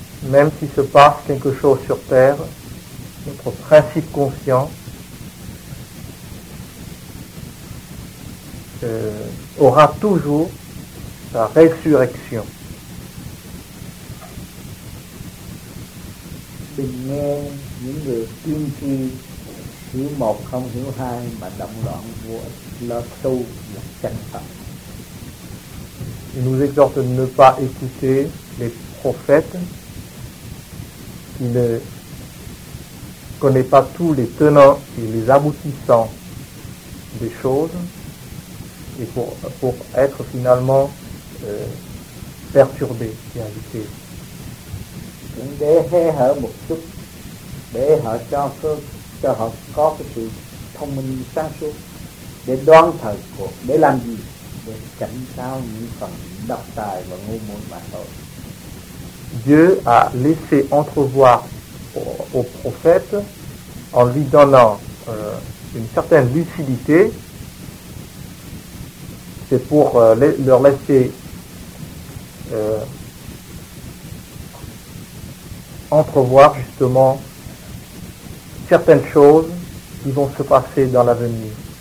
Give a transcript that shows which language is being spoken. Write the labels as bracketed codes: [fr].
[fr] Même si se passe quelque chose sur terre, notre principe conscient aura toujours sa résurrection. [vi] Mình nghe những người tiên tri hiểu một không hiểu hai mà động loạn vô lo sâu là chân thật. [fr] Il nous exhorte de ne pas écouter les prophètes qui ne connaissent pas tous les tenants et les aboutissants des choses et pour être finalement perturbés et agités. [vi] Cũng để hé hở một chút để họ cho họ có cái sự thông minh sáng suốt để đoán thời cuộc để làm gì để cảnh cáo những phần độc tài và ngu muội mà thôi. [fr] Dieu a laissé entrevoir au prophète en lui donnant une certaine lucidité, c'est pour leur laisser entrevoir justement certaines choses qui vont se passer dans l'avenir.